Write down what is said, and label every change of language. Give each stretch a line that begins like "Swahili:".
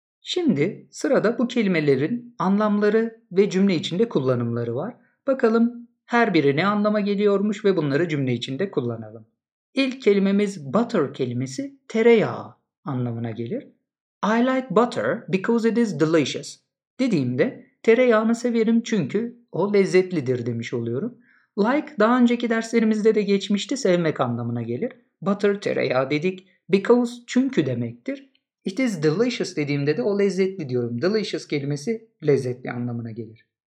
Turkish: Şimdi sırada bu kelimelerin anlamları ve cümle içinde kullanımları var. Bakalım her biri ne anlama geliyormuş ve bunları cümle içinde kullanalım. İlk kelimemiz butter kelimesi tereyağı anlamına gelir.
English: I like butter because it is delicious.
Turkish: Dediğimde tereyağını severim çünkü o lezzetlidir demiş oluyorum. Like daha önceki derslerimizde de geçmişti, sevmek anlamına gelir. Butter tereyağı dedik. Because çünkü demektir.
English: It is delicious
Turkish: dediğimde de o lezzetli diyorum. Delicious kelimesi lezzetli anlamına gelir.